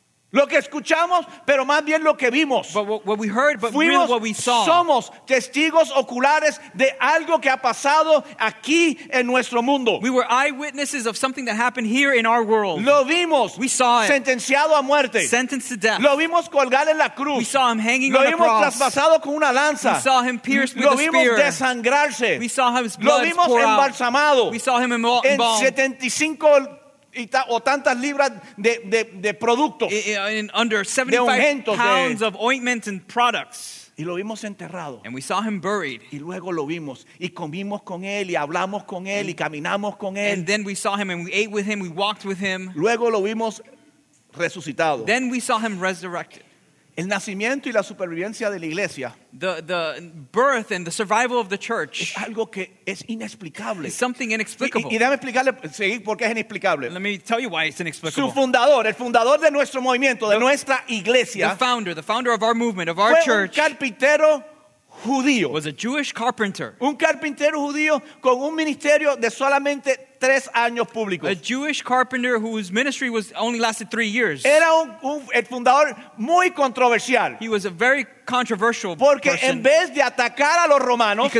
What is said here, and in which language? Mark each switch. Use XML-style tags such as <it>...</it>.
<es>Lo que escuchamos, pero más bien lo que vimos.</es> <en>But what we heard, but</en> <es>fuimos,</es> <en>really what we saw.</en> <es>Somos testigos oculares de algo que ha pasado aquí en nuestro mundo.</es> <en>We were eyewitnesses of something that happened here in our world.</en> <es>Lo vimos.</es> <en>We saw it.</en> <es>Sentenciado a muerte.</es> <en>Sentenced to death.</en> <es>Lo vimos colgado en la cruz.</es> <en>We saw him hanging</en> <es>lo</es> <en>on a cross.</en> <es>Lo vimos traspasado con una lanza.</es> <en>We saw him pierced</en> <es>lo</es> <en>with a spear.</en> <es>Lo vimos desangrarse.</es> <en>We saw his blood</en> <es>lo vimos</es> <en>pour</en> <es>embalsamado.</es> <en>Out. We saw him embalmed.</en> <es>En 75 o tantas libras de productos</es> <en>in under 75 pounds of ointment and products.</en> <es>Y lo vimos enterrado.</es> <en>And we saw him buried.</en> <es>Y luego lo vimos y comimos con él y hablamos con él y caminamos con él.</es> <en>And then we saw him and we ate with him, we walked with him.</en> <es>Luego lo vimos resucitado.</es> <en>Then we saw him resurrected.</en> <es>El nacimiento y la supervivencia de la iglesia.</es> <en>The birth and the survival of the church.</en> <es>Es algo que es inexplicable.</es> <en>Is something inexplicable.</en> <es>Y déjame explicarle, seguir porque es inexplicable.</es> <en>Let me tell you why it's inexplicable.</en> <es>Su fundador, el fundador de nuestro movimiento, de nuestra iglesia.</es> <en>The founder of our movement, of our church.</en> <es>Fue un carpintero judío.</es> <en>Was a Jewish carpenter.</en> <es>Un carpintero judío con un ministerio de solamente 3 años públicos.</es> <en>A Jewish carpenter whose ministry was only lasted 3 years.</en> <es>Era un el fundador muy controversial.</es> <en>He was a very controversial</en> <es>porque</es> <en>person.</en> <es>En vez de atacar a los romanos,</es>